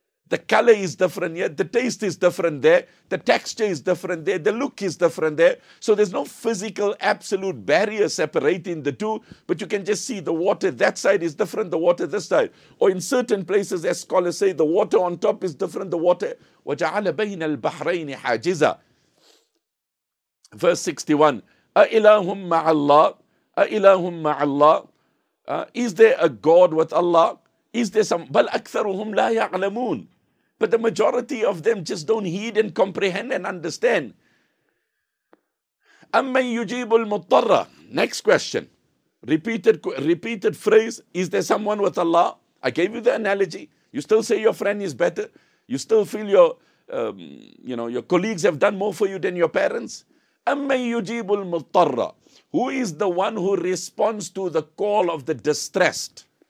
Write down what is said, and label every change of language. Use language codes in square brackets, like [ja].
[en] The color is different here. The taste is different there. The texture is different there. The look is different there. So there's no physical absolute barrier separating the two. But you can just see the water that side is different, the water this side. Or in certain places, as scholars say, the water on top is different, the water. [ar] وَجَعَلَ بَيْنَ الْبَحْرَيْنِ حَاجِزًا [en] Verse 61. [ar] أَإِلَهُمْ مَعَ اللَّهِ أَإِلَهُمْ مَعَ اللَّهِ [en] Is there a God with Allah? Is there some, [ar] بَلْ أَكْثَرُهُمْ لَا يَعْلَمُونَ [en] But the majority of them just don't heed and comprehend and understand. [ar] أَمَّنْ يُجِيبُ الْمُضْطَرَّ [en] Next question. Repeated phrase, is there someone with Allah? I gave you the analogy. You still say your friend is better? You still feel your, you know, your colleagues have done more for you than your parents? [ar] أَمَّنْ يُجِيبُ الْمُضْطَرَّ. [en] Who is the one who responds to the call of the distressed?